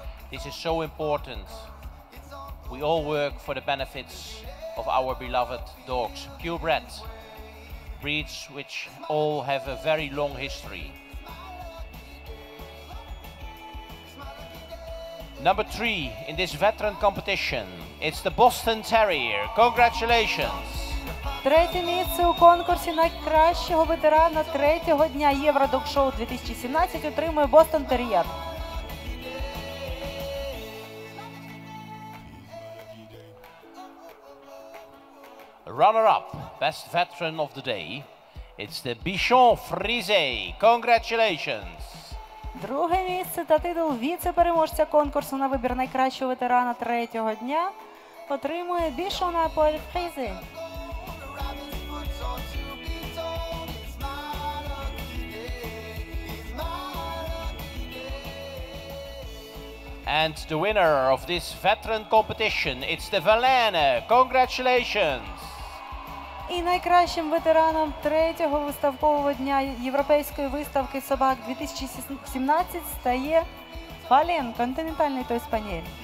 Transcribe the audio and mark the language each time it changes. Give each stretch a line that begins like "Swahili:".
English: This is so important. We all work for the benefits of our beloved dogs, purebred. breeds which all have a very long history. Number three in this veteran competition, it's the Boston Terrier. Congratulations!
Ukrainian: Третє місце у конкурсі найкращого ветерана третього дня Євродог Шоу 2017 отримує Boston Terrier.
English: Runner-up, best veteran of the day, it's the Bichon Frise. Congratulations!
Ukrainian: Друге місце та титул віце-переможця конкурсу на вибір найкращого ветерана третього дня отримує Bichon Apple Frise.
English: And the winner of this veteran competition, it's the Valene. Congratulations!
Ukrainian: І найкращим ветераном третього виставкового дня європейської виставки собак 2017 стає Фален, континентальний той спаніель.